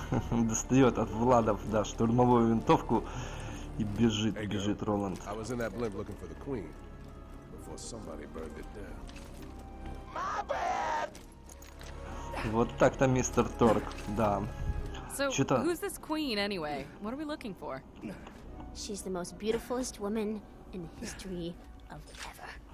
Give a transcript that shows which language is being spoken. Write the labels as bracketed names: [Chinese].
[Russian] Достает от Владов, да, штурмовую винтовку и бежит, hey, бежит Роланд. [English] I was in that blimp looking for the queen before somebody burned it down. My bad! [Russian] Вот так-то, мистер Торг, да. [English] So, [Russian] что-то... [English] who's this queen, anyway? What are we looking for? She's the most beautifulest woman in the history of ever.